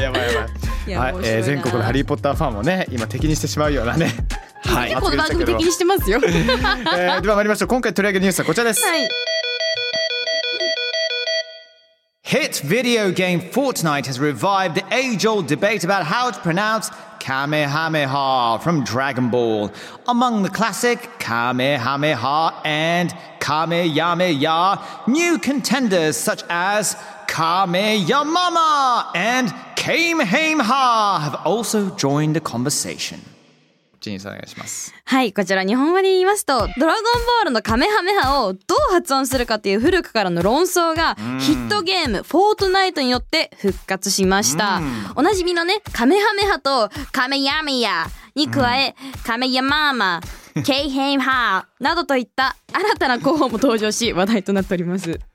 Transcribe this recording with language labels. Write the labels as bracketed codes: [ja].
[ja] やばい、やばい、やばい、やばい、やばい、全国のハリーポッターファンもね、今敵にしてしまうようなね、はい、結構番組敵にしてますよ。では参りましょう、今回取り上げるニュースはこちらです。はい、 [en] Hit video game Fortnite has revived the age-old debate about how to pronounce Kamehameha from Dragon Ball. Among the classic Kamehameha and Kameyameya, new contenders such as Kameyamama and Kameheimha have also joined the conversation. [ja] ジニーさんお願いします。はい、こちら日本語で言いますと、ドラゴンボールのカメハメハをどう発音するかという古くからの論争がヒットゲームフォートナイトによって復活しました。おなじみのね、カメハメハとカメヤミヤに加え、カメヤママケイヘイハなどといった新たな候補も登場し話題となっております。